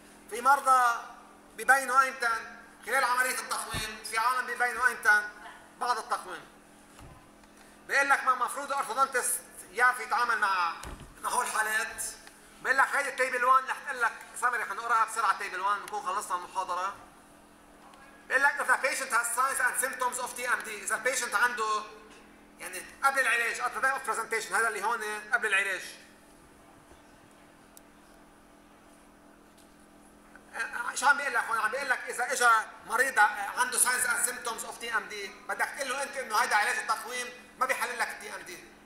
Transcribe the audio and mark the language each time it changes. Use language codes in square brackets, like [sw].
[ar] في مرضى ببينوا ايمتى خلال عملية التقويم. في عالم ببينوا ايمتى بعد التقويم. بيقول لك ما المفروض الارثودونتست يعرف يتعامل مع هول الحالات. بيقول لك هيدي التيبل 1 رح تقول لك سامري رح نقراها بسرعة تيبل 1 نكون خلصنا المحاضرة. بيقول لك إذا [en] patient has signs and symptoms of TMD. [ar] إذا patient عنده يعني قبل العلاج [en] at the time of presentation [ar] هذا اللي هون قبل العلاج. ايش عم بيقول لك هون؟ عم بيقول لك اذا اجى مريض عنده ساينز اند سيمبتومز اوف تي ام دي بدك تقول له انت انه هيدا علاج التقويم ما بيحل لك التي ام دي.